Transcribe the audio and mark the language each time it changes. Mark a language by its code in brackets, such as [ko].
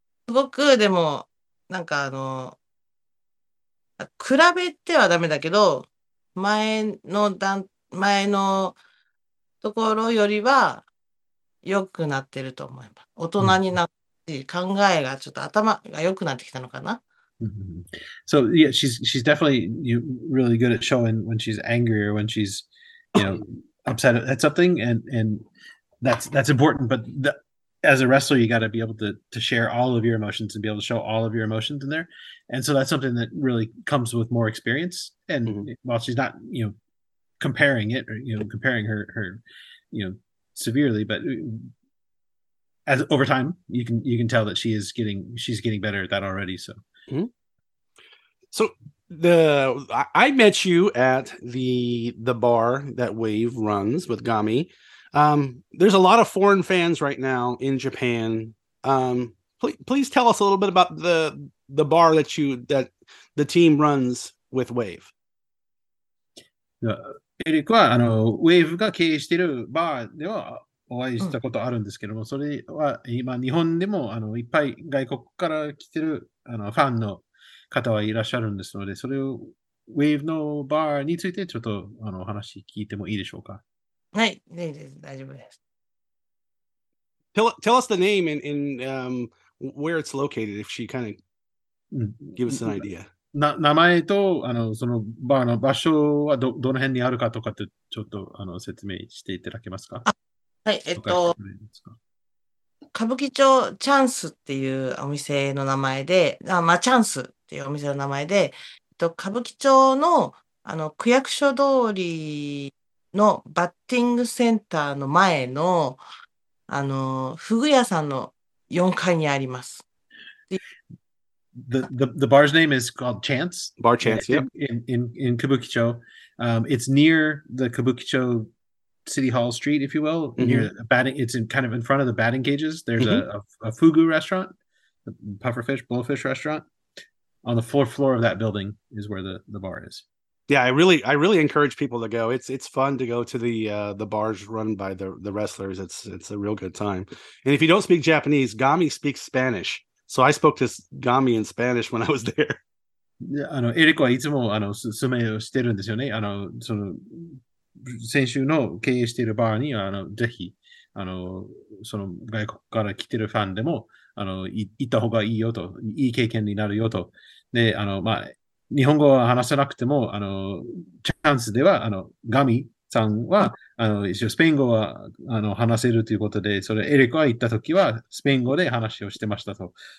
[ja] すごくでもなんか比べてはダメだけど、前のところよりは良くなってると思います。大人になって、うん、考えがちょっと頭が良くなってきたのかな。 [en] So yeah, she's definitely really good at showing when she's angry or when she's, upset at something, and that's important. But as a wrestler, you got to be able to share all of your emotions and be able to show all of your emotions in there. And so that's something that really comes with more experience. And while she's not, comparing it or, comparing her, severely, but as over time, you can tell that she's getting better at that already. So. Mm-hmm. So I met you at the bar that Wave runs with Gami. There's a lot of foreign fans right now in Japan. Please tell us a little bit about the bar that the team runs with Wave. [ja] エリックはWaveが経営しているバーではお会いしたことあるんですけども、それは今日本でもいっぱい外国から来てるファンの方はいらっしゃるんですので、それを Wave のバーについてちょっとお話聞いてもいいでしょうか。はい、大丈夫です。 [en] Tell us the name and where it's located, if she kind of give us an idea. [ja] 名前とそのバーの場所はどの辺にあるかとかってちょっと説明していただけますか。はい、歌舞伎町チャンスっていうお店の名前で、チャンスっていうお店の名前で、歌舞伎町の区役所通りのバッティングセンターの前のフグ屋さんの4階にあります。 [en] The bar's name is called Chance. Bar Chance, yeah. In Kabukicho. It's near the Kabukicho City Hall Street, if you will. Near the batting, it's in kind of in front of the batting cages. There's a fugu restaurant, a pufferfish, blowfish restaurant. On the fourth floor of that building is where the bar is. Yeah, I really encourage people to go. It's fun to go to the bars run by the wrestlers. It's a real good time. And if you don't speak Japanese, Gami speaks Spanish. So I spoke to Gami in Spanish when I was there. [ja] Yeah, エリコはいつも勧めをしてるんですよね。その先週の経営しているバーにぜひその外国から来てるファンでも行った方がいいよと、いい経験になるよと。で、日本語は話せなくてもチャンスではガミさんは一応スペイン語は話せるということで、それエリックが行った時はスペイン語で話をしてましたと。